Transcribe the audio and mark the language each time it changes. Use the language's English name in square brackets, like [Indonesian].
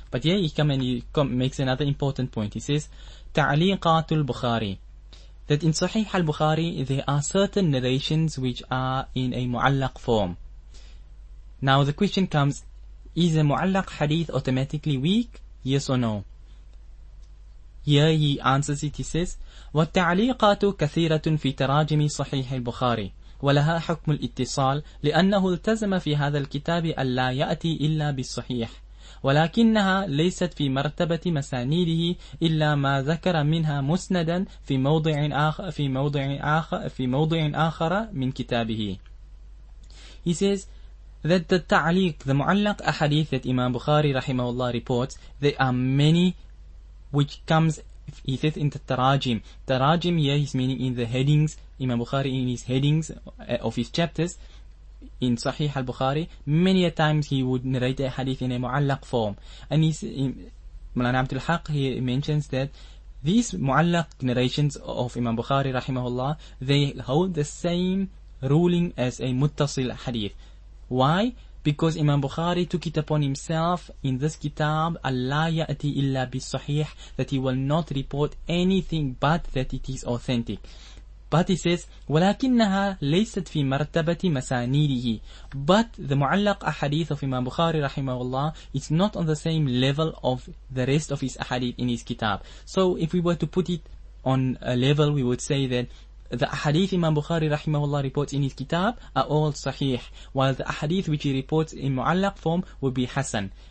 [English] But here he makes another important point. He says, [Arabic] تَعْلِيقَاتُ الْبُخَارِي, [English] that in Sahih al-Bukhari, there are certain narrations which are in a mu'allaq form. Now the question comes, is a mu'allaq hadith automatically weak? Yes or no? Here he answers it, he says, [Arabic] وَالتَّعْلِيقَاتُ كَثِيرَةٌ فِي تَرَاجِمِ صَحِيحِ الْبُخَارِي وَلَهَا حُكْمُ الْإِتِّصَالِ لِأَنَّهُ الْتَزَمَ فِي هَذَا الْكِتَابِ أَلَّا يَأْتِي إِلَّا بِالصَّحِيحِ ولكنها ليست في مرتبة مسانيده إلا ما ذكر منها مسندا في موضع آخر في موضع آخر من كتابه. [English] He says that the ta'liq, the mu'allaq ahadith that Imam Bukhari rahimahullah reports, there are many which comes, he says, in the tarajim. Tarajim here, he's meaning in the headings, Imam Bukhari in his headings of his chapters, in Sahih al-Bukhari, many a times he would narrate a hadith in a mu'allaq form. And he's, Mulana Abdul Haq, he mentions that these mu'allaq narrations of Imam Bukhari rahimahullah, they hold the same ruling as a muttasil hadith. Why? Because Imam Bukhari took it upon himself in this kitab, [Arabic] Allah ya'ati illa bisahih, [English] that he will not report anything but that it is authentic. But he says, [Arabic] وَلَكِنَّهَا لَيْسَتْ فِي مَرْتَبَةِ مَسَانِيدِهِ. [English] But the mu'allaq ahadith of Imam Bukhari rahimahullah is not on the same level of the rest of his ahadith in his kitab. So if we were to put it on a level, we would say that the ahadith Imam Bukhari rahimahullah reports in his kitab are all sahih, while the ahadith which he reports in mu'allaq form would be hasan.